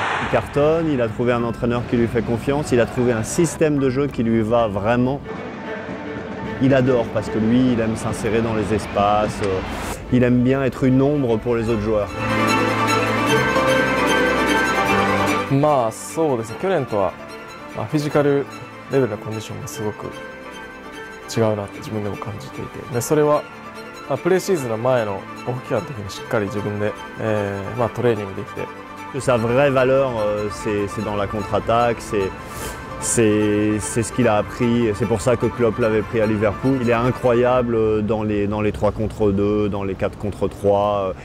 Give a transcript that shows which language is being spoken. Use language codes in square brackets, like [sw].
[fr] Cartonne, il a trouvé un entraîneur qui lui fait confiance, il a trouvé un système de jeu qui lui va vraiment. Il adore parce que lui, il aime s'insérer dans les espaces, il aime bien être une ombre pour les autres joueurs. [ja] まあそうですね、去年とは、まあ、フィジカルレベルのコンディションがすごく違うなって自分でも感じていて、でそれは、まあ、プレーシーズンの前のオフ期間の時にしっかり自分で、まあ、トレーニングできて。 [fr] Sa vraie valeur, c'est dans la contre-attaque, c'est ce qu'il a appris. C'est pour ça que Klopp l'avait pris à Liverpool. Il est incroyable dans les 3 contre 2, dans les 4 contre 3.